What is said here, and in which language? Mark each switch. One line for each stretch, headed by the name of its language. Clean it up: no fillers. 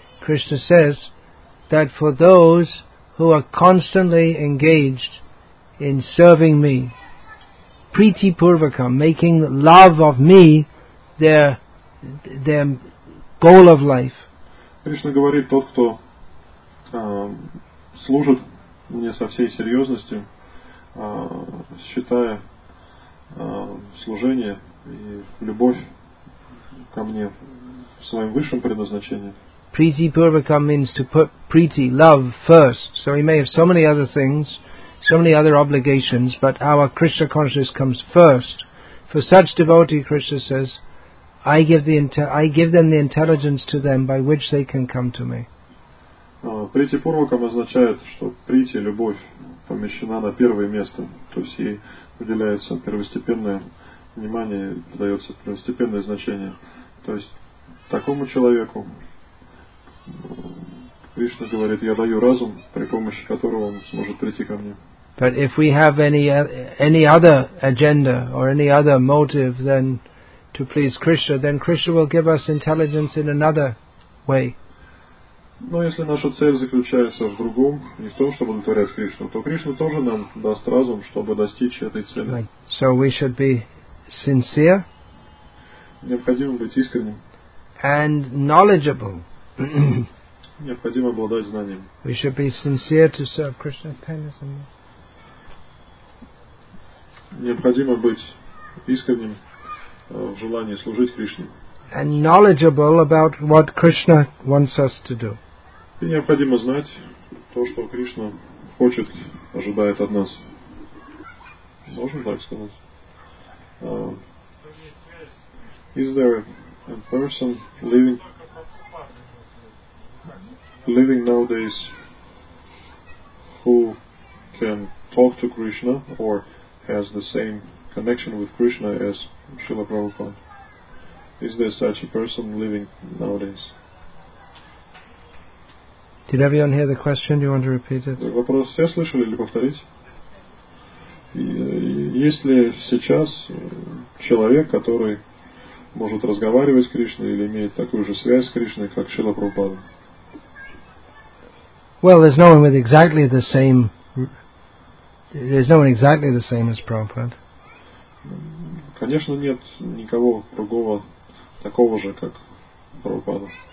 English: Krishna says that for those who are constantly engaged in serving me, priti purvakam, making love of me their goal of life.
Russian: Krishna говорит, тот, кто служит мне со всей серьезностью, считая служение и любовь ко мне своим высшим предназначением.
English: Priti purvakam means to put priti, love, first. So we may have so many other things, so many other obligations, but our Krishna consciousness comes first. For such devotee, Krishna says, I give them the intelligence to them by which they can come to me.
Russian: Priti purvakam означает, что priti, любовь, помещена на первое место. То есть ей уделяется первостепенное внимание, дается первостепенное значение. То есть такому человеку Кришна говорит, я даю разум, при помощи которого он сможет прийти ко мне.
English: But if we have any other agenda or any other motive than to please Krishna, then Krishna will give us intelligence in another way.
Russian: Но если наша цель заключается в другом, не в том, чтобы удовлетворять Кришну, то Кришна тоже нам даст разум, чтобы достичь этой цели.
English: Right. So we should be sincere.
Russian: Необходимо быть искренним.
English: And knowledgeable.
Russian: Необходимо обладать знанием.
English: We should be sincere to serve Krishna kindly.
Russian: Необходимо быть искренним в желании служить Кришне.
English: and knowledgeable about what Krishna wants us to do.
Russian: И необходимо знать то, что Кришна хочет, ожидает от нас. Можем так сказать.
English: Is there a person living nowadays who can talk to Krishna or has the same connection with Krishna as Srila Prabhupada? Is there such a person living nowadays? Did everyone hear the question? Do you want to repeat it?
Russian: Вопрос все слышали или повторить? Есть ли сейчас человек, который может разговаривать с Кришной или имеет такую же связь с Кришной, как Шрила Прабхупада?
English: Well, there's no one with exactly the same. There's no one exactly the same as Prabhupada.
Russian: Конечно, нет никого другого такого же, как Прабхупада.